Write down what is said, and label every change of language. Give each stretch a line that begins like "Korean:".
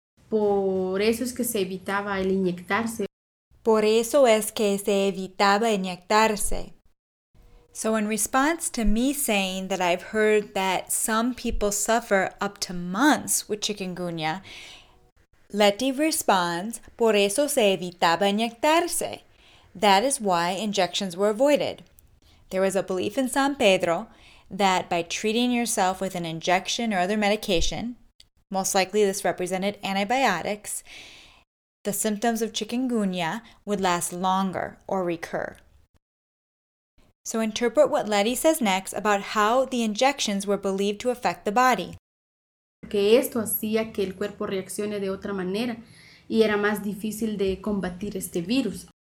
Spanish: Por eso es que se evitaba el inyectarse. Por eso es que se evitaba inyectarse.
English: So in response to me saying that I've heard that some people suffer up to months with chikungunya, Leti responds,
Spanish: por eso se evitaba inyectarse.
English: That is why injections were avoided. There was a belief in San Pedro that by treating yourself with an injection or other medication, most likely this represented antibiotics, the symptoms of chikungunya would last longer or recur. So interpret what Leti says next about how the injections were believed to affect the body.
Spanish: Que esto hacía que el cuerpo reaccione de otra manera y era más difícil de combatir este virus.